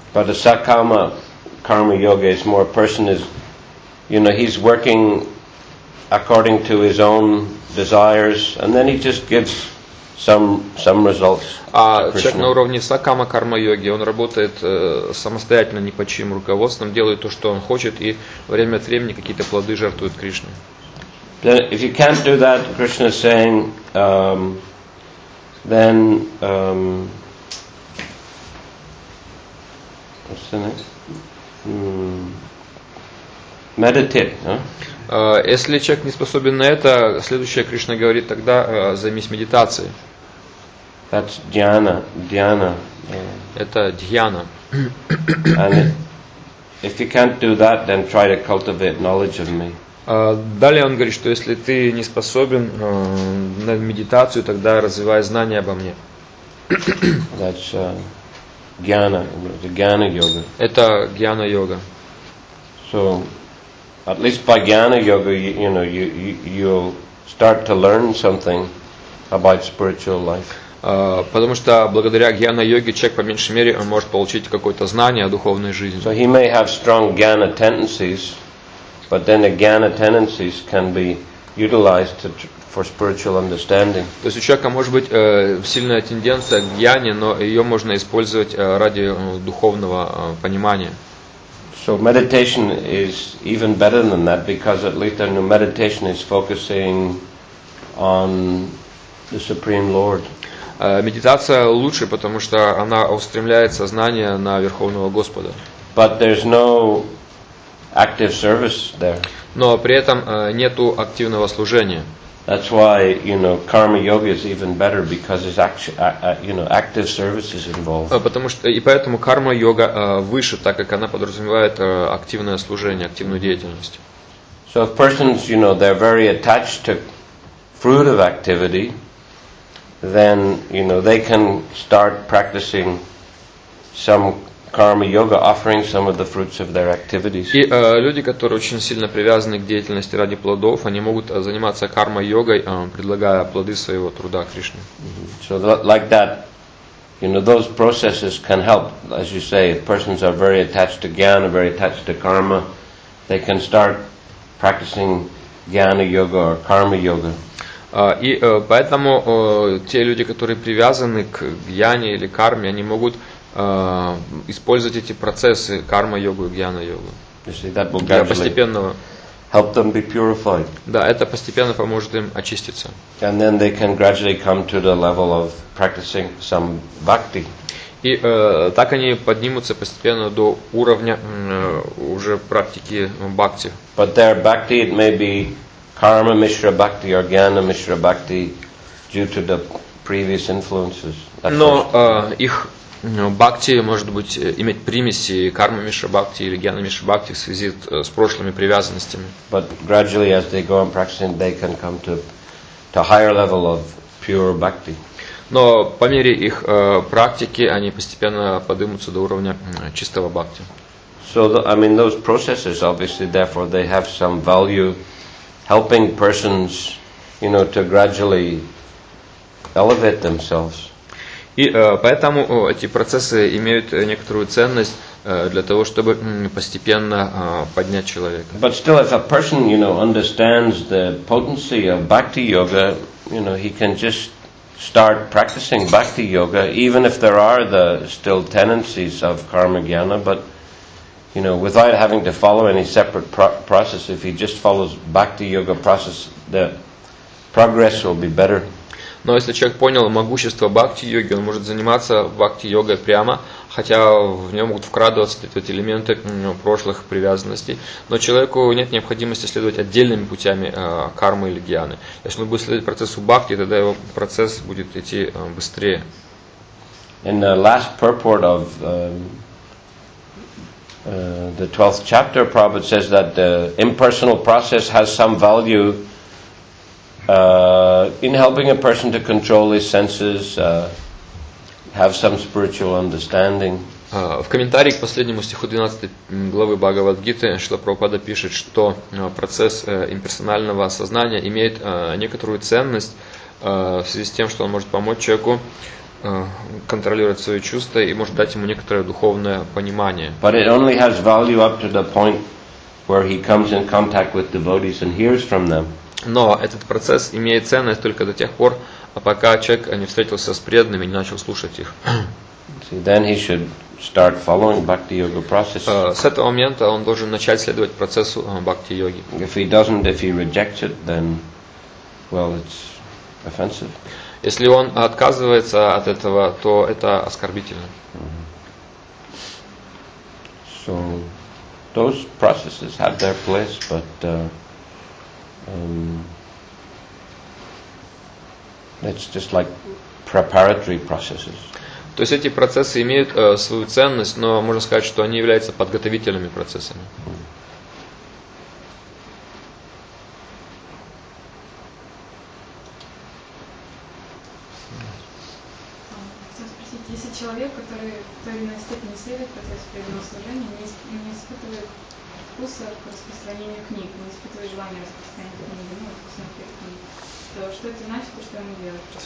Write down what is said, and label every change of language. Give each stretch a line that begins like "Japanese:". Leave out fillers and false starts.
English: But the sakama karma yoga is more a person is, you know, he's working according to his own desires, and then he just gives some results.
Russian: А человек на уровне сакама карма йоги, он работает самостоятельно, не под чьим руководством, делает то, что он хочет, и время от времени какие-то плоды жертвует Кришне.
English: Then, if you can't do that, Krishna is saying, then what's the next? Meditate, huh?
Russian: Если человек не способен на это, следующее Кришна говорит, тогда займись медитацией.
English: That's dhyana, dhyana.
Russian: Это дхьяна.
English: And if you can't do that, then try to cultivate knowledge of me.
Russian: Далее он говорит, что если ты не способен на медитацию, тогда развивай знания обо мне.
English: That's dhyana, the dhyana yoga.
Russian: Это дхьяна йога.
English: So at least by jnana yoga, you know, you'll start to learn something about spiritual life.
Russian: Потому что благодаря jnana йоге человек по меньшей мере может получить какое-то знание о духовной жизни.
English: So he may have strong jnana tendencies, but then the jnana tendencies can be utilized for spiritual understanding.
Russian: То есть у человека может быть сильная тенденция к jnana, но ее можно использовать ради духовного понимания.
English: So meditation is even better than that, because at least then meditation is focusing on the Supreme Lord.
Russian: Медитация лучше, потому что она устремляет сознание на Верховного Господа.
English: But there's no active service there.
Russian: Но при этом нету активного служения.
English: That's why, you know, karma yoga is even better because it's active service is involved.
Russian: Потому что и поэтому карма йога выше, так как она подразумевает активное служение, активную деятельность.
English: So if persons, you know, they're very attached to fruit of activity, then, you know, they can start practicing some karma yoga, offering some of the fruits of their activities.
Russian: И люди, которые очень сильно привязаны к деятельности ради плодов, они могут заниматься карма йогой, предлагая плоды своего труда Кришне.
English: So like that, you know, those processes can help, as you say, if persons are very attached to jnana, very attached to karma, they can start practicing jnana yoga or karma yoga.
Russian: И поэтому те люди, которые привязаны к гьяне или карме, они могут использовать эти процессы карма-йогу и гьяна-йогу для постепенного.
English: Help them be purified.
Russian: Да, это постепенно поможет им очиститься.
English: And then they can gradually come to the level of practicing some bhakti.
Russian: И так они поднимутся постепенно до уровня уже практики бхакти.
English: But their bhakti, it may be karma mishra bhakti or jnana mishra bhakti due to the previous influences.
Russian: Но их бхакти может быть иметь примеси карма мишра бхакти или джнана мишра бхакти в связи с прошлыми привязанностями.
English: But gradually as they go on practicing they can come to higher level of pure bhakti.
Russian: Но по мере их практики они постепенно поднимутся до уровня чистого бхакти.
English: So those processes obviously therefore they have some value helping persons, you know, to gradually elevate themselves.
Russian: И поэтому эти процессы имеют некоторую ценность для того, чтобы постепенно поднять человека.
English: But still, if a person, you know, understands the potency of bhakti yoga, you know, he can just start practicing bhakti yoga, even if there are the still tendencies of karma jnana, but, you know, without having to follow any separate process, if he just follows bhakti yoga process, the progress will be better.
Russian: Но если человек понял могущество бхакти-йоги, он может заниматься бхакти-йогой прямо, хотя в нем могут вкрадываться эти элементы прошлых привязанностей. Но человеку нет необходимости следовать отдельными путями кармы или гьяны. Если он будет следовать процессу бхакти, тогда его процесс будет идти быстрее.
English: In the last purport of the 12th chapter, Prabhupada says that the impersonal process has some value in helping a person to control his senses, have some spiritual understanding.
Russian: В комментарии к последнему стиху 12 главы Бхагавад-гиты Шрила Прабхупада пишет, что процесс имперсонального сознания имеет некоторую ценность в связи с тем, что он может помочь человеку контролировать свои чувства и может дать ему некоторое духовное понимание.
English: But it only has value up to the point where he comes in contact with devotees and hears from them.
Russian: Но этот процесс имеет ценность только до тех пор, пока человек не встретился с преданными и не начал слушать их.
English: Then he should start following bhakti yoga process.
Russian: С этого момента он должен начать следовать процессу бхакти йоги.
English: If he doesn't, if he rejects it, then, well, it's offensive.
Russian: Если он отказывается от этого, то это оскорбительно.
English: So those processes have their place, but it's just like preparatory processes.
Russian: То есть эти процессы имеют свою ценность, но можно сказать, что они являются подготовительными процессами. Хотел спросить, если человек, который в той или иной степени следует процессу преданного служения, не испытывает вкуса к распространению книг, не испытывает желания распространения книги, ну, вкусных книг, то что это значит и что ему делать?